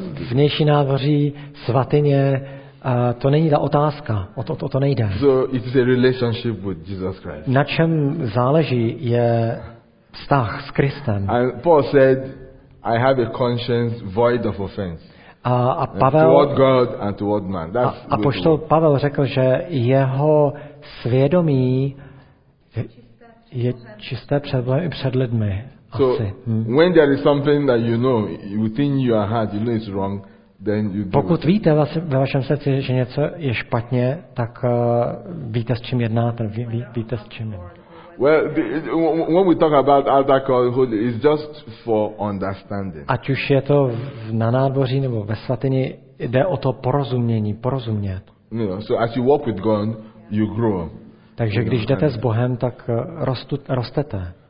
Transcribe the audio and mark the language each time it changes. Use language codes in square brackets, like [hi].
[cs] Vnější nádvoří svatyně, to není ta otázka, o to nejde. [en] So it is a relationship with Jesus Christ. [cs] Na čem záleží je vztah s Kristem. [en] And Paul said, I have a conscience void of offense. [cs] A Pavel, [en] toward God and toward man. [cs] A apoštol Pavel řekl, že jeho svědomí je čisté před Bohem i před lidmi. So asi. [en] When there is something that you know within your heart, you know it's wrong, then you do. [cs] Pokud víte ve vašem srdci, že něco je špatně, tak víte, s čím jednáte, víte, s čím. [en] Well, when we talk about outer court, it's just for understanding. [cs] Ať už je to na nádvoří nebo ve svatyni, jde o to porozumění, porozumět. [en] You know, so as you walk with God, you grow. [cs] Takže když jdete s Bohem, tak rostete.